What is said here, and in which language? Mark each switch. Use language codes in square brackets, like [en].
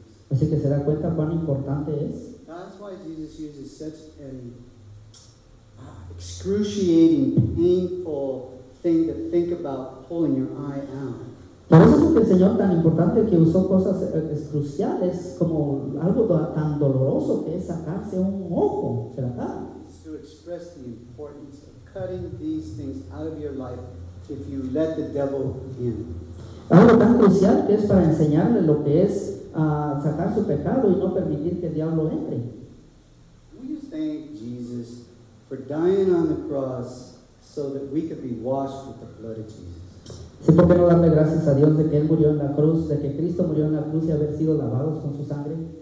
[es] Así que se da cuenta cuán importante es. [en] That's why Jesus uses such an excruciating, painful thing to think about pulling your eye out. [es] Por eso es que el Señor tan importante que usó cosas cruciales como algo tan doloroso que es sacarse un ojo, ¿verdad? [en] To express the importance of cutting these things out of your life if you let the devil in. [es] Algo tan crucial que es para enseñarle lo que es sacar su pecado y no permitir que el diablo entre. [en] We just thank Jesus for dying on the cross so that we could be washed with the blood of Jesus. [es] Sí, ¿por qué no darle gracias a Dios de que Él murió en la cruz, de que Cristo murió en la cruz y haber sido lavados con su sangre?